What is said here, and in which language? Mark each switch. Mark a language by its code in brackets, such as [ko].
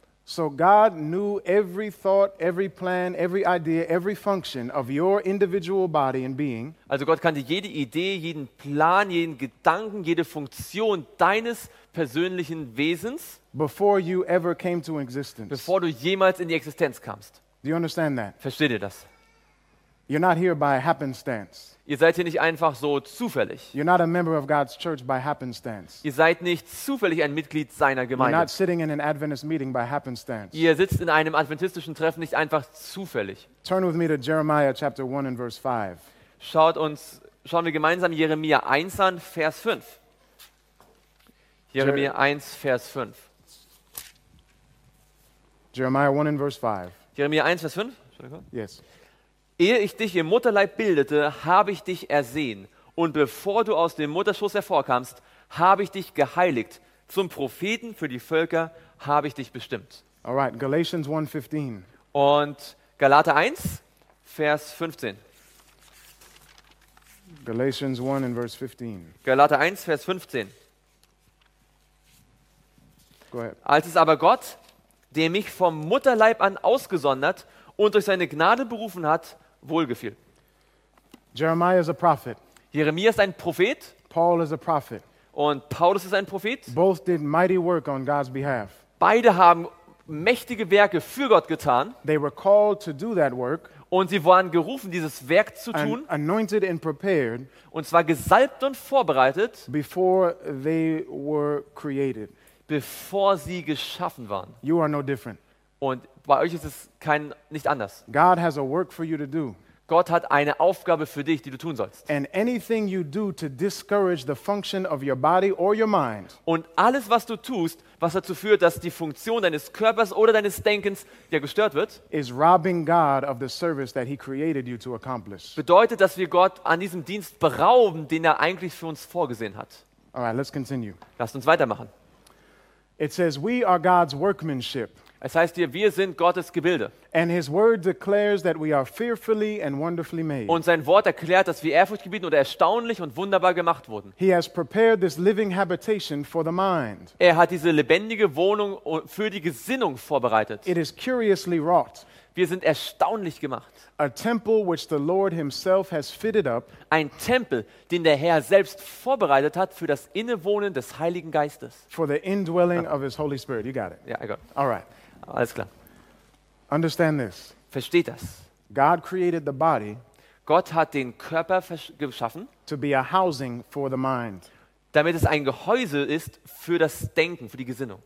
[en] So God knew every thought, every plan, every idea, every function of your individual body and being. [de] Also Gott kannte jede Idee, jeden Plan, jeden Gedanken, jede Funktion deines persönlichen Wesens. [en] Before you ever came to existence. [de] Bevor du jemals in die Existenz kamst. [en] Do you understand that? [de] Versteht ihr das? [en] You're not here by happenstance. [de] Ihr seid hier nicht einfach so zufällig. [en] You're not a member of God's church by happenstance. [de] Ihr seid nicht zufällig ein Mitglied seiner Gemeinde. [en] You're not sitting in an Adventist meeting by happenstance. [de] Ihr sitzt in einem adventistischen Treffen nicht einfach zufällig. [en] Turn with me to Jeremiah chapter 1 and verse 5. [de] Schauen wir gemeinsam Jeremia 1 an, Vers 5. Jeremia 1, Vers 5. [en] Jeremiah 1 and verse 5. [de] Jeremia 1, Vers 5. [en] Yes. [de] Ehe ich dich im Mutterleib bildete, habe ich dich ersehen. Und bevor du aus dem Mutterschoß hervorkamst, habe ich dich geheiligt. Zum Propheten für die Völker habe ich dich bestimmt. [en] All right, Galatians 1:15. [de] Und Galater 1, Vers 15. [en] Galatians 1 and verse 15. [de] Galater 1, Vers 15. [en] Go ahead. [de] Als es aber Gott, der mich vom Mutterleib an ausgesondert und durch seine Gnade berufen hat, wohlgefiel. [en] Jeremiah is a prophet. [de] Jeremia ist ein Prophet. [en] Paul is a prophet. [de] Und Paulus ist ein Prophet. [en] Both did mighty work on God's behalf. [de] Beide haben mächtige Werke für Gott getan. [en] They were called to do that work. [de] Und sie waren gerufen, dieses Werk zu tun. [en] Anointed and prepared. [de] Und zwar gesalbt und vorbereitet. [en] Before they were created. [de] Bevor sie geschaffen waren. [en] You are no different. [de] Und bei euch ist es nicht anders. [en] God has a work for you to do. [de] Gott hat eine Aufgabe für dich, die du tun sollst. [en] And anything you do to discourage the function of your body or your mind. [de] Und alles, was du tust, was dazu führt, dass die Funktion deines Körpers oder deines Denkens gestört wird, [en] is robbing God of the service that he created you to accomplish. [de] Bedeutet, dass wir Gott an diesem Dienst berauben, den er eigentlich für uns vorgesehen hat. [en] All right, let's continue. [de] Lasst uns weitermachen. [en] It says we are God's workmanship. [de] Es heißt hier, wir sind Gottes Gebilde. [en] And his word declares that we are fearfully and wonderfully made. [de] Und sein Wort erklärt, dass wir ehrfurchtgebieten oder erstaunlich und wunderbar gemacht wurden. [en] He has prepared this living habitation for the mind. [de] Er hat diese lebendige Wohnung für die Gesinnung vorbereitet. [en] It is curiously wrought. [de] Wir sind erstaunlich gemacht. [en] A temple which the Lord himself has fitted up. [de] Ein Tempel, den der Herr selbst vorbereitet hat für das Innewohnen des Heiligen Geistes. [en] For the indwelling of his Holy Spirit. You got it. Yeah, I got it. All right. [de] Alles klar. [en] Understand this. [de] Versteht das. [en] God created the body. [de] Gott hat den Körper geschaffen. [en] To be a housing for the mind. [de] Damit es ein Gehäuse ist für das Denken, für die Gesinnung.